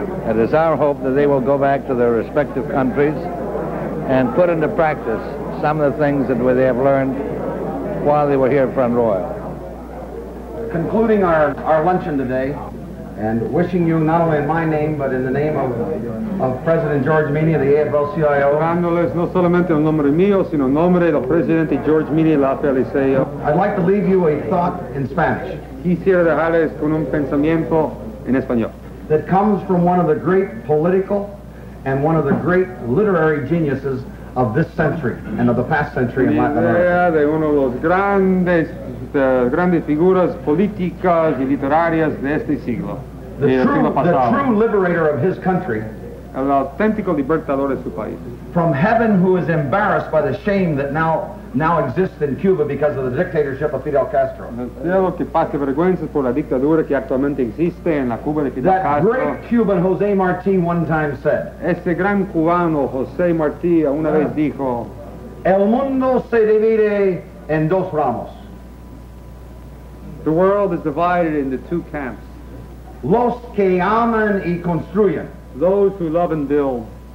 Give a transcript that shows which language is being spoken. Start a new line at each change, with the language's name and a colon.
English: It is our hope that they will go back to their respective countries and put into practice some of the things that they have learned while they were here at Front Royal. Concluding our luncheon today, and wishing you not only in my name, but in the name of President George Meany of the AFL-CIO.
Spanish: Honorables, no solamente en nombre mío, sino en nombre del presidente George Meany de la AFL-CIO.
English: I'd like to leave you a thought in Spanish.
Spanish: Quisiera dejarles con un pensamiento en español.
English: That comes from one of the great political and one of the great literary geniuses of this century and of the past century in Latin America.
Spanish: De uno de los grandes grandes figuras políticas y literarias de este siglo.
English: The true liberator of his country.
Spanish: El auténtico libertador de su país.
English: From heaven, who is embarrassed by the shame that now exists in Cuba because of the dictatorship of Fidel Castro.
Spanish: Cielo, que pase vergüenzas por la dictadura que actualmente existe en la Cuba de Fidel
English: that Castro. That great Cuban José Martí one time said.
Spanish: Ese gran cubano José Martí una vez dijo. El mundo se divide en dos ramos.
English: The world is divided into two camps.
Spanish: Los que aman y construyen.
English: Those who love and build.